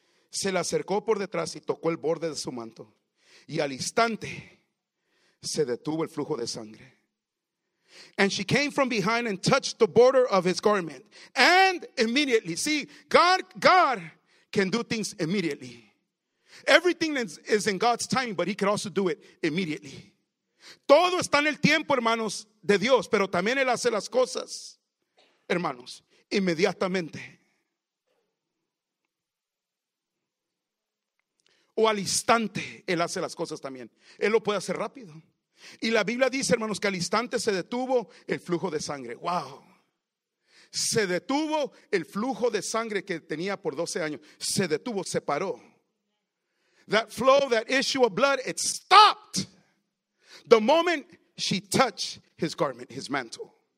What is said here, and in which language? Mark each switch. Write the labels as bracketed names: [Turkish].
[Spanish] Se le acercó por detrás y tocó el borde de su manto. Y al instante se detuvo el flujo de sangre. [English] And she came from behind and touched the border of his garment. And immediately, see, God can do things immediately. Everything is in God's timing, but he can also do it immediately. [Spanish] Todo está en el tiempo, hermanos, de Dios, pero también él hace las cosas, hermanos, inmediatamente. O al instante, él hace las cosas también. Él lo puede hacer rápido. Y la Biblia dice, hermanos, que al instante se detuvo el flujo de sangre. Wow. Se detuvo el flujo de sangre que tenía por 12 años. Se detuvo, se paró. [English] That flow, that issue of blood, it stopped the moment she touched his garment, his mantle.